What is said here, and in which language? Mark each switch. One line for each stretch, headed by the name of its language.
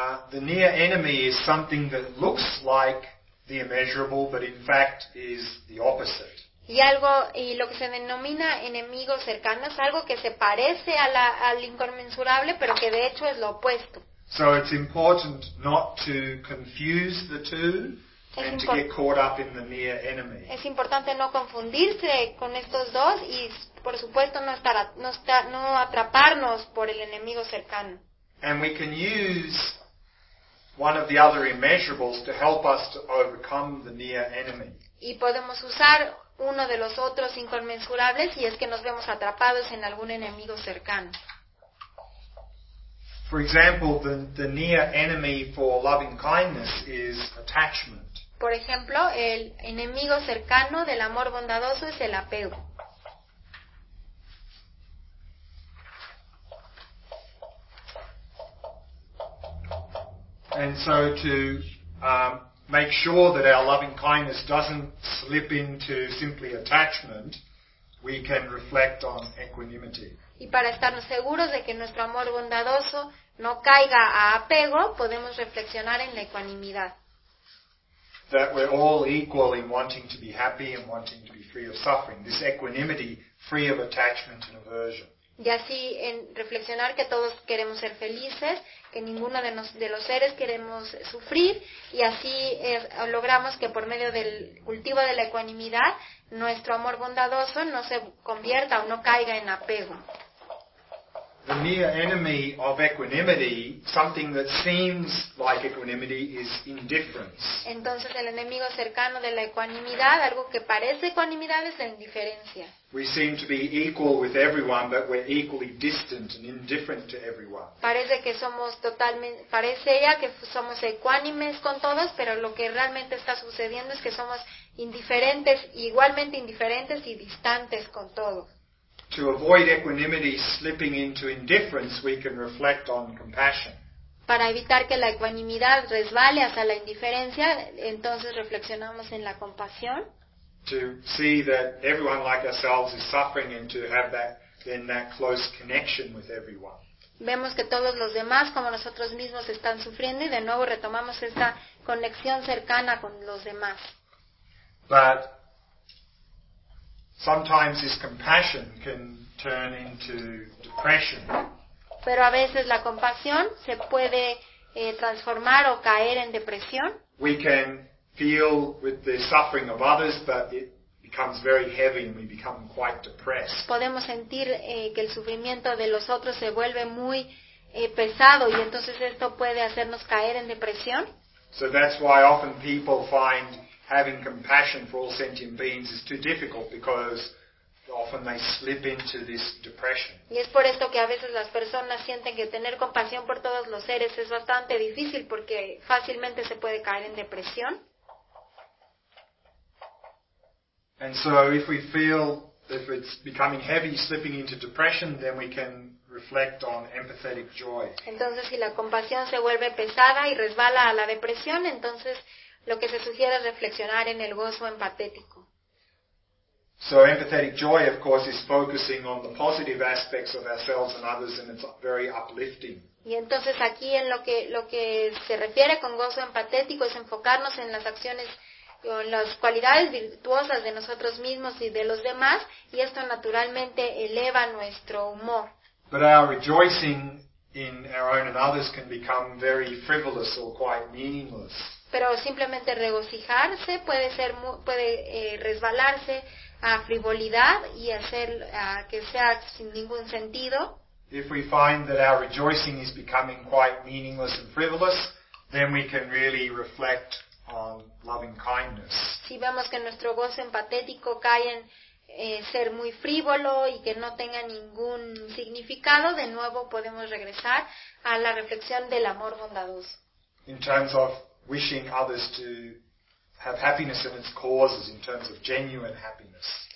English: The near enemy is something that looks like the immeasurable, but in fact is the opposite.
Spanish: Y lo que se denomina enemigo cercano es algo que se parece al inconmensurable, pero que de hecho es lo opuesto.
English: So it's important not to confuse the two. And to get caught up in the near enemy.
Spanish: Es importante no confundirse con estos dos y, por supuesto, no atraparnos por el enemigo cercano.
English: And we can use one of the other immeasurables to help us to overcome the near enemy.
Spanish: Y podemos usar uno de los otros inconmensurables si es que nos vemos atrapados en algún enemigo cercano.
English: For example, the near enemy for loving kindness is attachment.
Spanish: Por ejemplo, el enemigo cercano del amor bondadoso es el apego.
English: And so to make sure that our loving kindness doesn't slip into simply attachment, we can reflect on equanimity.
Spanish: Y para estarnos seguros de que nuestro amor bondadoso no caiga a apego, podemos reflexionar en la ecuanimidad.
English: That we're all equal in wanting to be happy and wanting to be free of suffering. This equanimity, free of attachment and aversion.
Spanish: Y así en reflexionar que todos queremos ser felices, que ninguno de los seres queremos sufrir, y así logramos que por medio del cultivo de la ecuanimidad, nuestro amor bondadoso no se convierta o no caiga en apego.
English: The mere enemy of equanimity, something that seems like equanimity, is indifference.
Spanish: Entonces el enemigo cercano de la ecuanimidad, algo que parece ecuanimidad, es la indiferencia.
English: We seem to be equal with everyone, but we're equally distant and indifferent to everyone.
Spanish: Parece que somos totalmente, parece ella que somos ecuánimes con todos, pero lo que realmente está sucediendo es que somos indiferentes, igualmente indiferentes y distantes con todos.
English: To avoid equanimity slipping into indifference, we can reflect on compassion.
Spanish: Para evitar que la ecuanimidad resbale hacia la indiferencia, entonces reflexionamos en la compasión.
English: To see that everyone like ourselves is suffering and to have that close connection with everyone.
Spanish: Vemos que todos los demás, como nosotros mismos, están sufriendo y de nuevo retomamos esta conexión cercana con los demás.
English: But sometimes this compassion can turn into depression.
Spanish: Pero a veces la compasión se puede transformar o caer en depresión.
English: We can feel with the suffering of others, but it becomes very heavy and we become quite depressed.
Spanish: Podemos sentir que el sufrimiento de los otros se vuelve muy pesado y entonces esto puede hacernos caer en depresión.
English: So that's why often people find having compassion for all sentient beings is too difficult because often they slip into this depression.
Spanish: Y es por esto que a veces las personas sienten que tener compasión por todos los seres es bastante difícil porque fácilmente se puede caer en depresión.
English: And so if we feel if it's becoming heavy slipping into depression, then we can reflect on empathetic joy.
Spanish: Entonces si la compasión se vuelve pesada y resbala a la depresión, entonces lo que se sugiere es reflexionar en el gozo empatético.
English: So empathetic joy, of course, is focusing on the positive aspects of ourselves and others, and it's very uplifting.
Spanish: Y entonces aquí en lo que se refiere con gozo empatético es enfocarnos en las acciones o en las cualidades virtuosas de nosotros mismos y de los demás, y esto naturalmente eleva nuestro humor.
English: But our rejoicing in our own and others can become very frivolous or quite meaningless.
Spanish: Pero simplemente regocijarse puede ser resbalarse a frivolidad y hacer que sea sin ningún sentido.
English: If we find that our rejoicing is becoming quite meaningless and frivolous, then we can really reflect on loving kindness.
Spanish: Si vemos que nuestro gozo empatético cae en ser muy frívolo y que no tenga ningún significado, de nuevo podemos regresar a la reflexión del amor bondadoso.
English: In terms of wishing others to have happiness and its causes, in terms of genuine happiness.